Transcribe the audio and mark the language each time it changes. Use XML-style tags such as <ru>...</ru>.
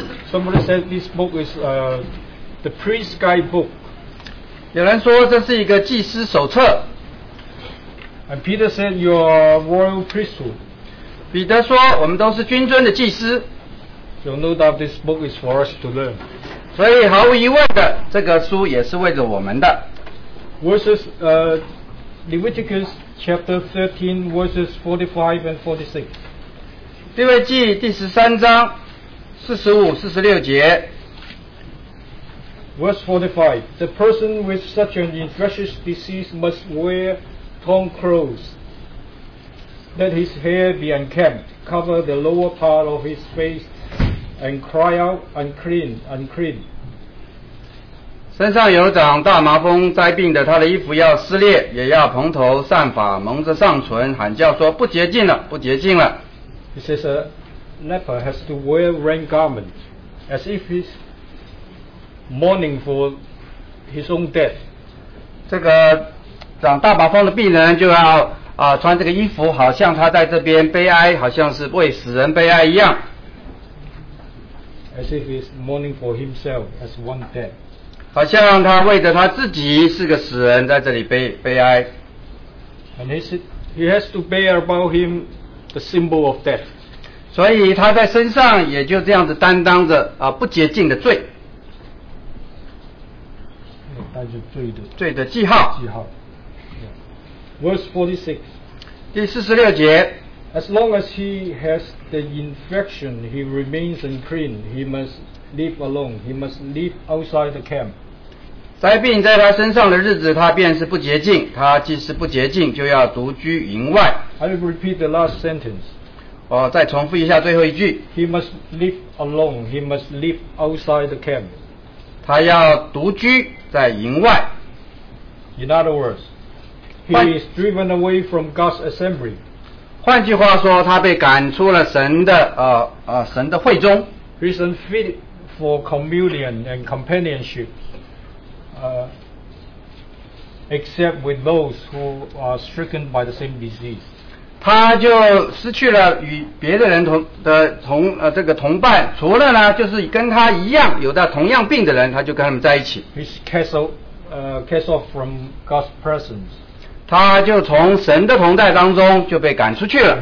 <en>Somebody said this book is the priest's guidebook.</en> <zh>有人说这是一个祭司手册。</zh> <en>And Peter said you are royal priesthood.</en> <zh>彼得说我们都是君尊的祭司。</zh> <en>So no doubt this book is for us to learn.</en> <zh>所以毫无疑问的，这个书也是为了我们的。</zh> <en>Verses Leviticus chapter 13 verses 45 and 46.</en> <zh>利未记第十三章。</zh> <en>Verse 45. The person with such an infectious disease must wear torn clothes, let his hair be unkempt, cover the lower part of his face, and cry out, unclean, unclean.</en> <zh>身上有长大麻风灾病的，他的衣服要撕裂，也要蓬头散发，蒙着上唇，喊叫说：不洁净了，不洁净了。</zh> <en>He says, Leper has to wear rain garment as if he's mourning for his own death.</en> <zh>这个长大麻风的病人就要穿这个衣服，好像他在这边悲哀，好像是为死人悲哀一样。</zh> <en>As if he's mourning for himself as one dead.</en> <zh>好像他为着他自己是个死人在这里悲哀。</zh> <en>And he has to bear about him the symbol of death.</en> <zh>所以他在身上也就这样子担当着不洁净的罪，带着罪的记号。</zh> <en>Verse 46,</en> <zh>第四十六节。</zh> <en>As long as he has the infection, he remains unclean. He must live alone. He must live outside the camp.</en> <zh>灾病在他身上的日子，他便是不洁净。他既是不洁净，就要独居营外。</zh> <en>I will repeat the last sentence.</en> <zh>哦，再重复一下最后一句。</zh> <en>He must live alone. He must live outside the camp.</en> <zh>他要独居在营外。</zh> <en>In other words, he is driven away from God's assembly.</en> <zh>换句话说，他被赶出了神的会中。</zh> <en>He is unfit for communion and companionship, except with those who are stricken by the same disease.</en> <zh>他就失去了与别的人同伴，除了呢，就是跟他一样有着同样病的人，他就跟他们在一起。</zh> <en>He's cast off from God's presence.</en> <zh>他就从神的同在当中就被赶出去了。</zh>